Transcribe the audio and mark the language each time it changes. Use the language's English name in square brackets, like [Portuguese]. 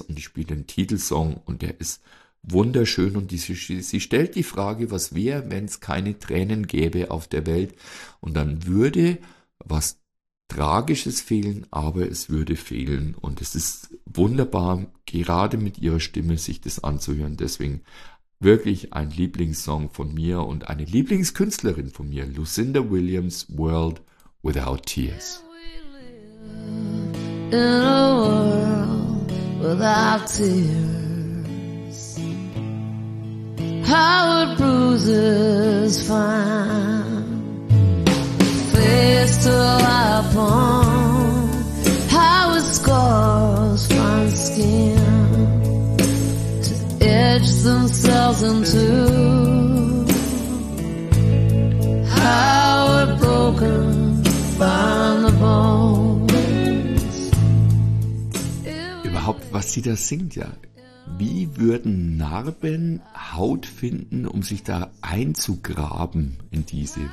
[German] Und ich spiele den Titelsong und der ist wunderschön und sie stellt die Frage, was wäre, wenn es keine Tränen gäbe auf der Welt und dann würde was Tragisches fehlen, aber es würde fehlen und es ist wunderbar, gerade mit ihrer Stimme sich das anzuhören, deswegen wirklich ein Lieblingssong von mir und eine Lieblingskünstlerin von mir, Lucinda Williams, World Without Tears. [English] In a world without tears. How would bruises find place to lie upon? How would scars find skin to etch themselves into? How would broken find the bones? [German] Überhaupt, was sie da singt, ja. Wie würden Narben Haut finden, um sich da einzugraben in diese?